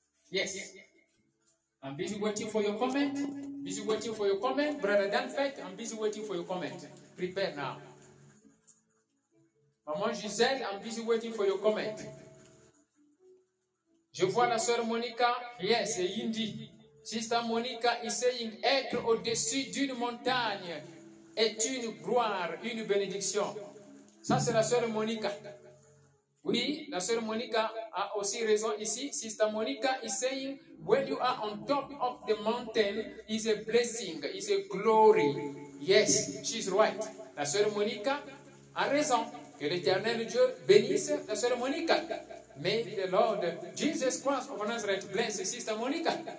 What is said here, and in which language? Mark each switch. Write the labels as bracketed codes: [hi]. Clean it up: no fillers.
[en] Yes. I'm busy waiting for your comment. Busy waiting for your comment. Brother Danfait, I'm busy waiting for your comment. Prepare now. Maman Giselle, I'm busy waiting for your comment. [fr] Je vois la sœur Monica. [en] Yes, Indy. Sister Monica is saying, [fr] être au-dessus d'une montagne est une gloire, une bénédiction. Ça, c'est la sœur Monica. Oui, la sœur Monica a aussi raison ici. [en] Sister Monica is saying, when you are on top of the mountain is a blessing, is a glory. Yes, she's right. [fr] La sœur Monica a raison. Que l'Éternel Dieu bénisse la sœur Monica. [en] May the Lord Jesus Christ of Nazareth bless Sister Monica.